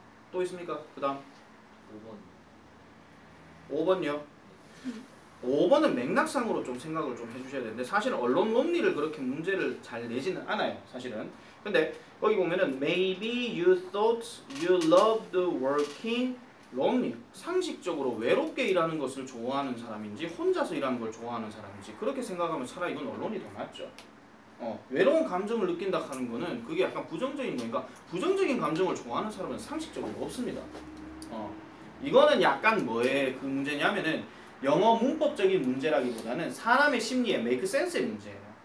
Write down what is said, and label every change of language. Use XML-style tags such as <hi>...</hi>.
<ko>또 있습니까? 그 다음 5번이요? 5번은 맥락상으로 좀 생각을 좀 해주셔야 되는데 사실 언론 논리를 그렇게 문제를 잘 내지는 않아요.</ko> <en>사실은 근데 거기 보면은 maybe you thought you loved working lonely.</en> <ko>상식적으로 외롭게 일하는 것을 좋아하는 사람인지 혼자서 일하는 걸 좋아하는 사람인지 그렇게 생각하면 차라리 이건 언론이 더 낫죠. 외로운 감정을 느낀다 하는 거는 그게 약간 부정적인 거니까 부정적인 감정을 좋아하는 사람은 상식적으로 없습니다. 이거는 약간 뭐의 그 문제냐면은 영어 문법적인 문제라기보다는 사람의 심리에 make sense 의 문제예요.</ko>